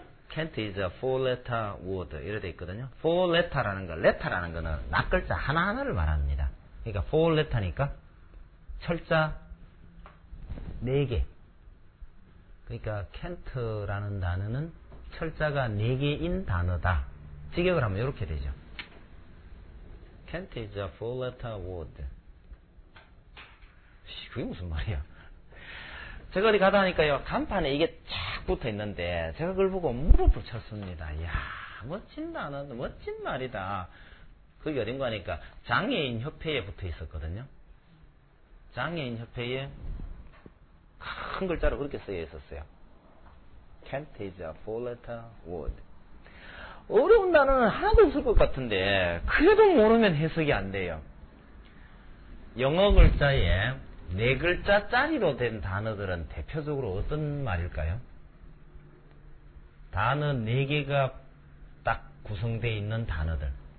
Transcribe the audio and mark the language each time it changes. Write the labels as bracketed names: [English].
[English] Can't is a four-letter word. [Korean] 이래돼 있거든요. Four-letter라는 거, letter라는 거는 낱글자 하나하나를 말합니다. 그러니까 four-letter니까 철자 네 개. 그러니까 can't라는 단어는 철자가 네 개인 단어다. 직역을 하면 이렇게 되죠. [English] Can't is a four-letter word. [Korean] 그게 무슨 말이야? 제가 어디 가다 하니까요. 간판에 이게 착 붙어 있는데 제가 그걸 보고 무릎을 쳤습니다. 이야, 멋진 단어, 멋진 말이다. 그 여린 거 하니까 장애인 협회에 붙어 있었거든요. 장애인 협회에 큰 글자로 그렇게 쓰여 있었어요. [English] Can't is a four-letter word. [Korean] 어려운 단어는 하나도 없을 것 같은데 그래도 모르면 해석이 안 돼요. 영어 글자에 네 글자짜리로 된 단어들은 대표적으로 어떤 말일까요? 단어 네 개가 딱 구성되어 있는 단어들.